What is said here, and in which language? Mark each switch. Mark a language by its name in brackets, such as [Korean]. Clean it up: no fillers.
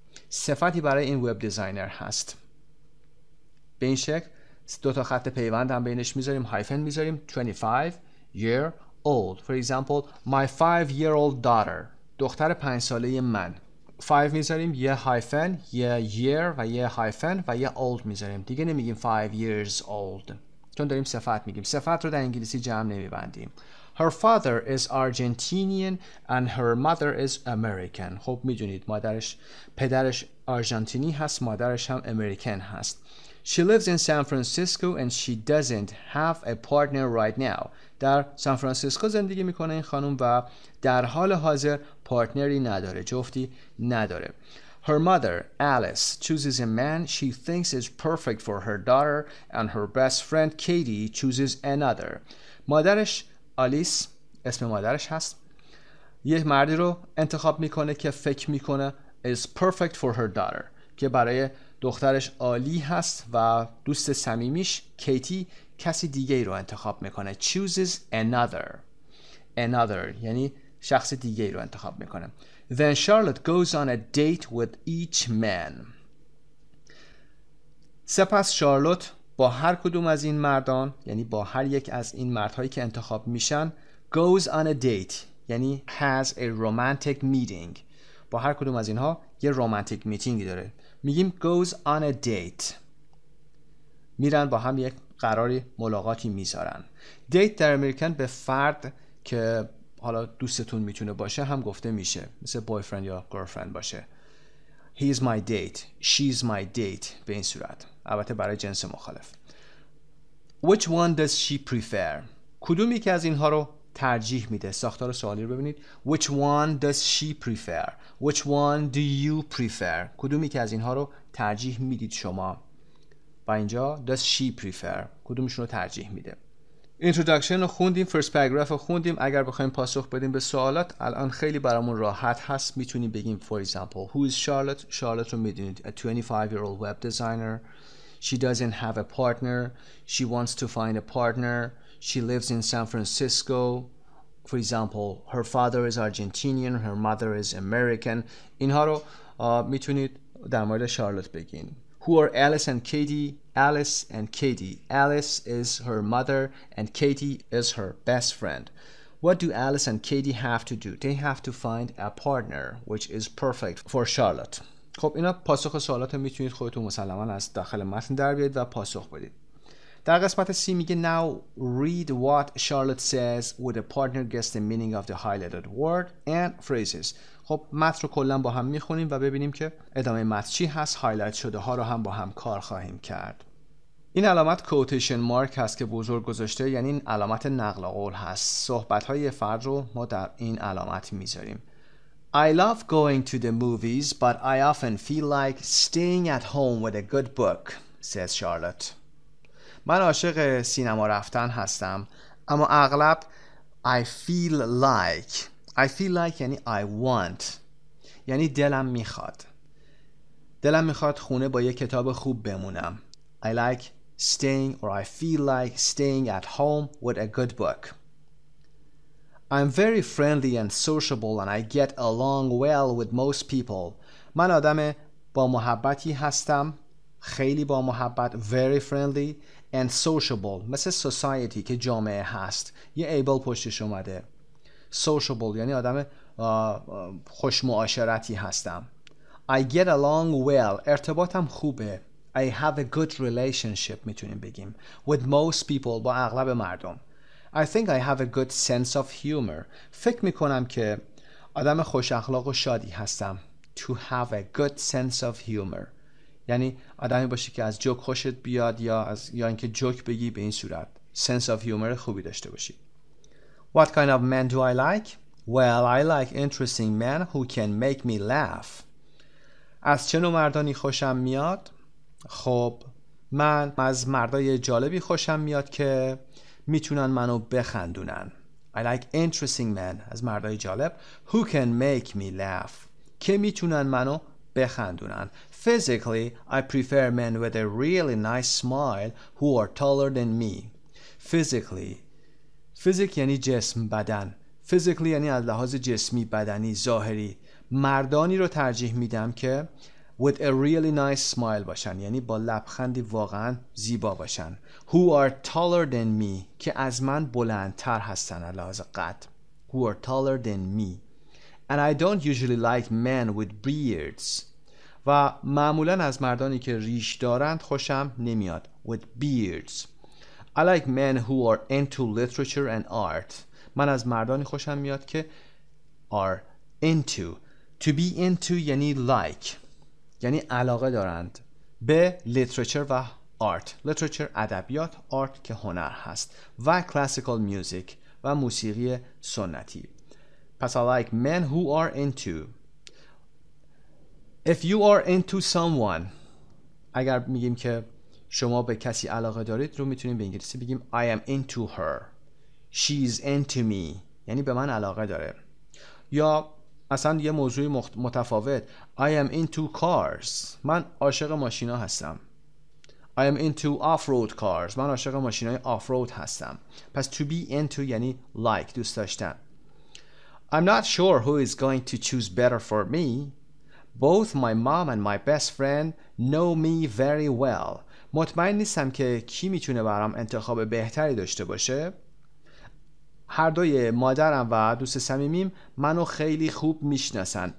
[Persian] صفتی برای این وب دیزاینر هست. به این شکل دو تا خط پیوند هم بینش میذاریم، هایفن میذاریم، [English] 25 year old. For example, my 5-year-old daughter. [Persian] دختر 5 ساله من. 5 میذاریم، یه هایفن، یه year و یه هایفن و یه old میذاریم. دیگه نمیگیم [English] 5 years old. [Persian] چون داریم صفت میگیم. صفت رو در انگلیسی جمع نمیبندیم. [English] Her father is Argentinian and her mother is American. [Persian] خب میدونید مادرش، پدرش آرژانتینی هست، مادرش هم امریکن هست. [English] She lives in San Francisco and she doesn't have a partner right now. [Persian] در سان فرانسیسکو زندگی میکنه این خانم و در حال حاضر پارتنری نداره، جفتی نداره. [English] Her mother, Alice, chooses a man she thinks is perfect for her daughter and her best friend, Katie, chooses another. [Persian] مادرش، آلیس، اسم مادرش هست، یه مردی رو انتخاب میکنه که فکر میکنه [English] is perfect for her daughter، [Persian] که برای دخترش آلی هست و دوست صمیمیش کیتی کسی دیگه رو انتخاب میکنه. [English] chooses another. [Persian] another یعنی شخص دیگه رو انتخاب میکنه. [English] then Charlotte goes on a date with each man. [Persian] سپس شارلوت با هر کدوم از این مردان، یعنی با هر یک از این مردهایی که انتخاب میشن، [English] goes on a date [Persian] یعنی [English] has a romantic meeting. [Persian] با هر کدوم از اینها یه رومانتیک میتینگی داره. میگیم [English] goes on a date. [Persian] میرن با هم یک قراری ملاقاتی میذارن. date در امریکن به فرد که حالا دوستتون میتونه باشه هم گفته میشه. مثل boyfriend یا girlfriend باشه. [English] he is my date. she is my date. [Persian] به این صورت. البته برای جنس مخالف. [English] which one does she prefer؟ [Persian] کدومی که از اینها رو ترجیح میده. ساختار سوالی رو ببینید. [English] which one does she prefer, which one do you prefer. [Persian] کدومی که از اینها رو ترجیح میدید شما؟ و اینجا [English] does she prefer [Persian] کدومشون رو ترجیح میده. introduction رو خوندیم، [English] first paragraph [Persian] رو خوندیم. اگر بخوایم پاسخ بدیم به سوالات الان خیلی برامون راحت هست، میتونیم بگیم [English] for example who is Charlotte. Charlotte رو میدونید، a 25 year old web designer. she doesn't have a partner. she wants to find a partner. She lives in San Francisco. For example, her father is Argentinian, her mother is American. [Persian] اینها رو میتونید در مورد شارلوت بگین. [English] Who are Alice and Katie? Alice and Katie. Alice is her mother and Katie is her best friend. What do Alice and Katie have to do? They have to find a partner, which is perfect for Charlotte. [Persian] خب اینا پاسخ سوالات میتونید خودتون مسلماً از داخل متن در بیارید و پاسخ بدید. در قسمت سی میگه [English] now read what Charlotte says would a partner guess the meaning of the highlighted word and phrases. [Persian] خب متن رو کلا با هم میخونیم و ببینیم که ادامه متن چی هست. هایلایت شده ها رو هم با هم کار خواهیم کرد. این علامت کوتیشن مارک هست که بزرگ گذاشته، یعنی این علامت نقل قول هست. صحبت های فرد رو ما در این علامت میذاریم. [English] I love going to the movies but I often feel like staying at home with a good book, says Charlotte. [Persian] من عاشق سینما رفتن هستم اما اغلب [English] I feel like [Persian] یعنی [English] I want، [Persian] یعنی دلم میخواد خونه با یه کتاب خوب بمونم. [English] I like staying or I feel like staying at home with a good book. I'm very friendly and sociable and I get along well with most people. [Persian] من آدم با محبتی هستم، خیلی با محبت، [English] very friendly and sociable، [Persian] مثل society که جامعه هست، یه able پشتش اومده. sociable یعنی آدم خوشمعاشرتی هستم. [English] I get along well، [Persian] ارتباطم خوبه. [English] I have a good relationship [Persian] میتونیم بگیم [English] with most people، [Persian] با اغلب مردم. [English] I think I have a good sense of humor، [Persian] فکر میکنم که آدم خوش اخلاق و شادی هستم. [English] to have a good sense of humor [Persian] یعنی آدمی باشی که از جوک خوشت بیاد یا اینکه جوک بگی، به این صورت [English] sense of humor [Persian] خوبی داشته باشی. [English] What kind of men do I like? Well, I like interesting men who can make me laugh. [Persian] از چه نوع مردانی خوشم میاد؟ خب من از مردای جالبی خوشم میاد که میتونن منو بخندونن. [English] I like interesting men، [Persian] از مردای جالب، [English] who can make me laugh، [Persian] که میتونن منو بخندونن. [English] Physically, I prefer men with a really nice smile who are taller than me. [Persian] Physically. Physic یعنی جسم، بدن. Physically یعنی از لحاظ جسمی، بدنی، ظاهری. مردانی رو ترجیح میدم که [English] with a really nice smile [Persian] باشن، یعنی با لبخندی واقعا زیبا باشن. [English] Who are taller than me، [Persian] که از من بلندتر هستن از لحاظ قد. [English] Who are taller than me. And I don't usually like men with beards. [Persian] و معمولا از مردانی که ریش دارند خوشم نمیاد. [English] With beards. I like men who are into literature and art. [Persian] من از مردانی خوشم میاد که [English] are into. To be into یعنی like، [Persian] یعنی علاقه دارند به literature و art. Literature ادبیات، art که هنر هست، و classical music و موسیقی سنتی. [English] پس I like men who are into. If you are into someone، [Persian] اگر میگیم که شما به کسی علاقه دارید رو میتونیم به انگلیسی بگیم [English] I am into her. She is into me. [Persian] یعنی به من علاقه داره. یا اصلا یه موضوعی متفاوت. [English] I am into cars. [Persian] من عاشق ماشینا هستم. [English] I am into off-road cars. [Persian] من عاشق ماشینای off-road هستم. پس [English] to be into [Persian] یعنی like، دوست داشتن. [English] I'm not sure who is going to choose better for me. Both my mom and my best friend know me very well. [Persian] مطمئن نیستم که کی میتونه برام انتخاب بهتری داشته باشه. هر دوی مادرم و دوست صمیمیم منو خیلی خوب میشناسن.